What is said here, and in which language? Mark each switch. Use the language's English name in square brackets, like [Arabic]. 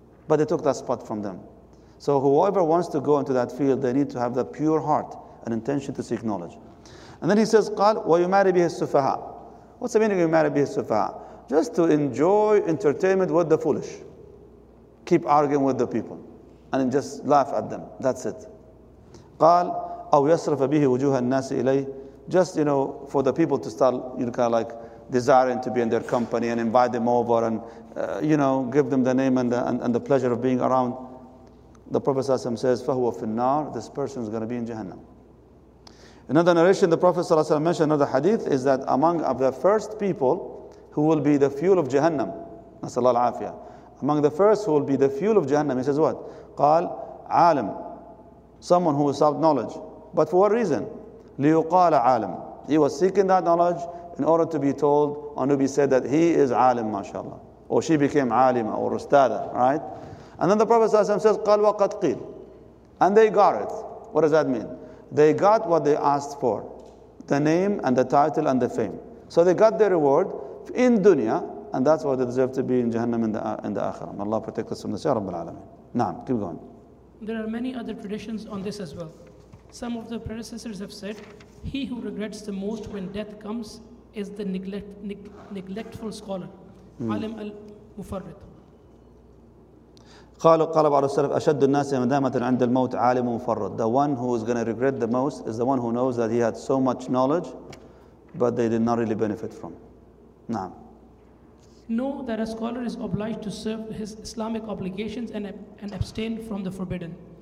[English] But they took that spot from them. So whoever wants to go into that field, they need to have the pure heart and intention to seek knowledge. And then he says, [Arabic] قال وَيُمَارِ بِهِ السُّفَهَا. [English] What's the meaning of [Arabic] يُمَارِ بِهِ السُّفَهَا? [English] Just to enjoy entertainment with the foolish. Keep arguing with the people. And then just laugh at them. That's it. [Arabic] قال أو يصرف به وجوه الناس إليه. [English] Just for the people to start desiring to be in their company and invite them over and give them the name and the pleasure of being around. The Prophet ﷺ says [Arabic] فهو في النار. [English] This person is going to be in Jahannam. Another narration the Prophet ﷺ mentioned another hadith is that among of the first people who will be the fuel of Jahannam. [Arabic] نسأل الله العافية. [English] Among the first who will be the fuel of Jahannam, he says what? [Arabic] قال عالم. [English] Someone who sought knowledge. But for what reason? [Arabic] ليقال عالم. [English] He was seeking that knowledge in order to be told and to be said that he is عالم, mashallah. Or she became عالمة or استاذة, right? And then the Prophet says, [Arabic] قال وقد قيل. [English] And they got it. What does that mean? They got what they asked for. The name and the title and the fame. So they got their reward in dunya. And that's why they deserve to be in Jahannam in the Akhirah. May Allah protect us from this, Ya Rabbil Alameen. Naam, keep going. There are many other traditions on this as well. Some of the predecessors have said, he who regrets the most when death comes is the neglectful scholar. [Arabic] Alim al-Mufarrid. قال بعض السلف أشد الناس ندامة عند الموت عالم مفرد. [English] The one who is going to regret the most is the one who knows that he had so much knowledge, but they did not really benefit from. Naam. Know that a scholar is obliged to serve his Islamic obligations and abstain from the forbidden.